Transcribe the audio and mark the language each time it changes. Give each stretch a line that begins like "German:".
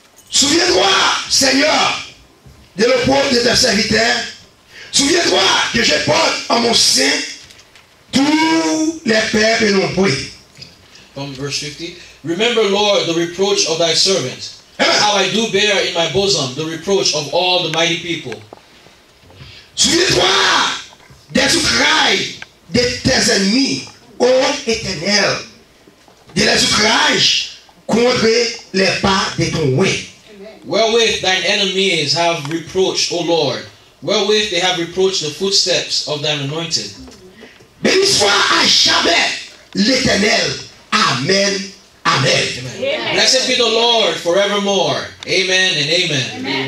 French: Souviens-toi, Seigneur, de l'opprobre de tes serviteurs. Souviens-toi que je porte en mon sein tous les peuples nombreux.
English: From verse 50. Remember, Lord, the reproach of thy servant, how I do bear in my bosom the reproach of all the mighty people.
French: Souviens-toi des outrages de tes ennemis, ô Éternel, de les outrages contre les pas de ton oint.
English: Wherewith thine enemies have reproached, O Lord, wherewith they have reproached the footsteps of thine anointed.
French: Béni soit à jamais l'Éternel. Amen. Amen.
English: Blessed be the Lord forevermore. Amen and amen.